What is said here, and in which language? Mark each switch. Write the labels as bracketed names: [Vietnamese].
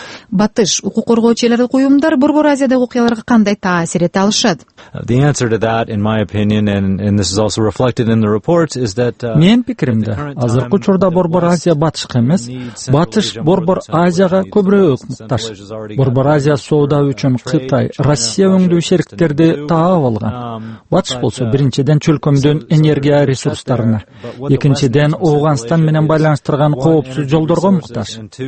[Kyrgyz] Батыш, укук коргоочу элдик уюмдар Борбор Азиядагы окуяларга кандай таасир эте алышат? [English] The answer to that in my opinion and this is also reflected in the reports is that [Kyrgyz] мен пикиримде азыркы учурда Борбор Азия батышка эмес, батыш Борбор Азияга көбүрөөк муктаж. Борбор Азия соода үчүн Кытай, Россия өңдүү шериктерди таап алган. Батыш болсо биринчиден чөлкөмдүн энергия ресурстарына, экинчиден Ооганстан менен байланыштырган коопсуз жолдорго муктаж.